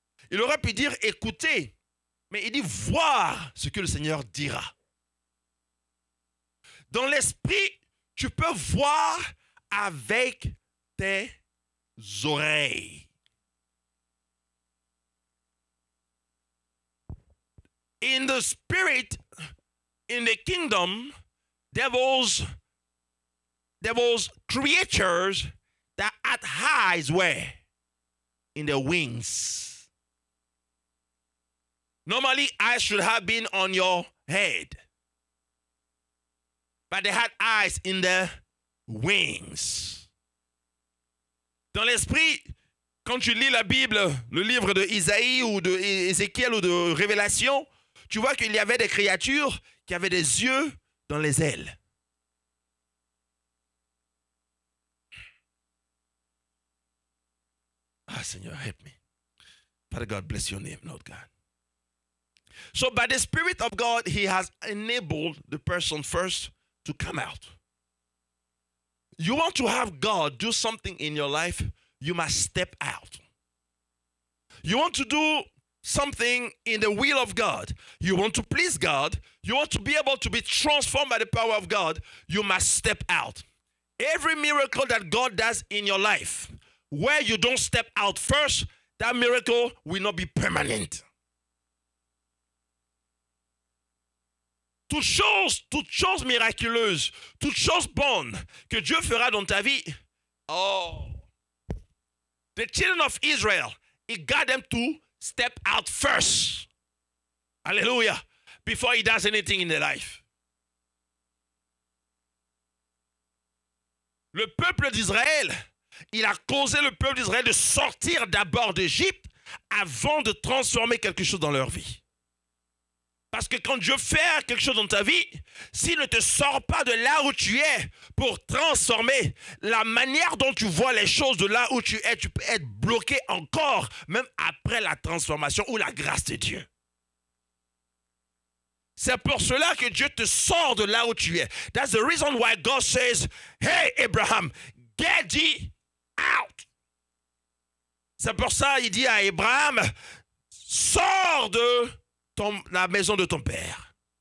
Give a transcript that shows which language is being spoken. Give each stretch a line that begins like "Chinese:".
French: Il aurait pu dire écouter, mais il dit voir ce que le Seigneur dira. Dans l'esprit, tu peux voir avec tes oreilles.
English: In the spirit, in the kingdom, devils, creatures that at highs were in their wings. Normally, eyes should have been on your head, but they had eyes in their wings.
French: Dans l'esprit, quand tu lis la Bible, le livre de Isaïe ou de Ézéchiel ou de Révélation, tu vois qu'il y avait des créatures qui avaient des yeux dans les ailes.
English: Ah, Seigneur, help me. Father God, bless your name, Lord God. So by the Spirit of God, he has enabled the person first to come out. You want to have God do something in your life, you must step out. You want to do something in the will of God, you want to please God, you want to be able to be transformed by the power of God, you must step out. Every miracle that God does in your life, where you don't step out first, that miracle will not be permanent.
French: toute chose miraculeuse, toute chose bonne que Dieu fera dans ta vie. Oh.
English: The children of Israel, he got them to step out first. Hallelujah. Before he does anything in their life.
French: Le peuple d'Israël, il a causé le peuple d'Israël de sortir d'abord d'Égypte avant de transformer quelque chose dans leur vie. Parce que quand Dieu fait quelque chose dans ta vie, s'il ne te sort pas de là où tu es pour transformer la manière dont tu vois les choses de là où tu es, tu peux être bloqué encore, même après la transformation ou la grâce de Dieu. C'est pour cela que Dieu te sort de là où tu es.
English: That's the reason why God says, hey Abraham, get thee out.
French: C'est pour ça qu'il dit à Abraham, sors de la maison de ton père.